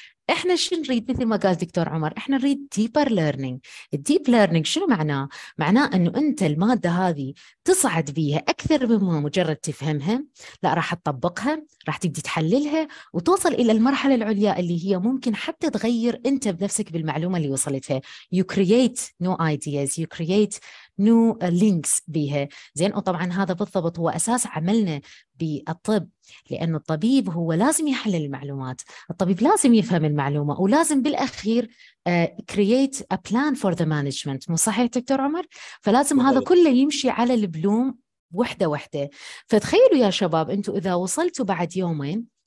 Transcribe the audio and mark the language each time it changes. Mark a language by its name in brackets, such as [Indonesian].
[Arabic] إحنا شو نريد مثل ما قال دكتور عمر، إحنا نريد deeper learning. deep learning شنو معناه؟ معناه أنه أنت المادة هذه تصعد بيها أكثر مما مجرد تفهمها، لا راح تطبقها، راح تبدي تحللها وتوصل إلى المرحلة العليا اللي هي ممكن حتى تغير أنت بنفسك بالمعلومة اللي وصلتها. [English] you create new ideas، you create new links [Arabic] بيها زين. وطبعا هذا بالضبط هو أساس عملنا بالطب، لأن الطبيب هو لازم يحلل المعلومات، الطبيب لازم يفهم المعلومة، ولازم بالأخير [English] create a plan for the management، [Arabic] مو صحيح دكتور عمر؟ فلازم هذا كله يمشي على البلوم وحدة وحدة. فتخيلوا يا شباب أنتوا إذا وصلتوا بعد يومين